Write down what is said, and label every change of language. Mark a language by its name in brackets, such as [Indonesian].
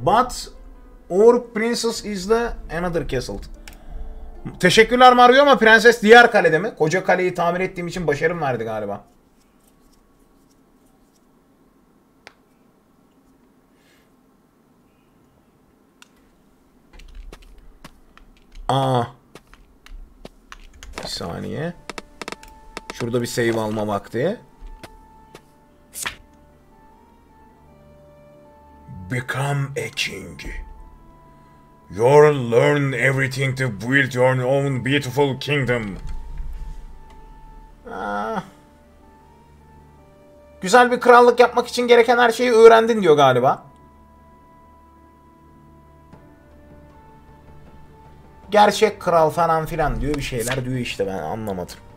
[English] But our princess is the another castle. [Turkish] Teşekkürler Mario ama prenses diğer kalede mi? Koca kaleyi tamir ettiğim için başarım verdi galiba. Aa. Bir saniye. Şurada bir save alma vakti. [English] Become a king. You'll learn everything to build your own beautiful kingdom. [Turkish] Güzel bir krallık yapmak için gereken her şeyi öğrendin diyor galiba. Gerçek kral falan filan diyor, bir şeyler diyor işte, ben anlamadım.